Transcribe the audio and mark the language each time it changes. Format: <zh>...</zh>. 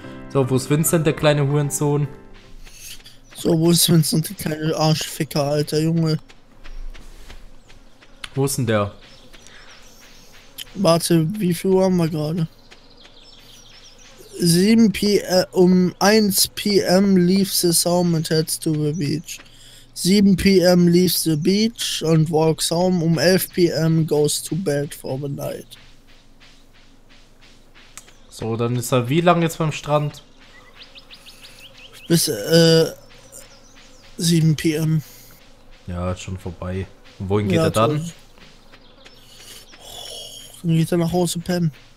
<de>So, wo ist Vincent, der kleine Hurensohn? So, wo ist Vincent, der kleine Arschficker, alter Junge? Wo ist denn der? Warte, wie viel Uhr haben wir gerade?</de> <en>7 p.m. um 1 p.m. leaves the home and heads to the beach. 7 p.m. leaves the beach and walks home. Um 11 p.m. goes to bed for the night.</en> <de>So, dann ist er wie lange jetzt beim Strand? Bis 7 p.m. Ja, ist schon vorbei. Und wohin geht er dann? Dann geht er nach Hause pennen.</de>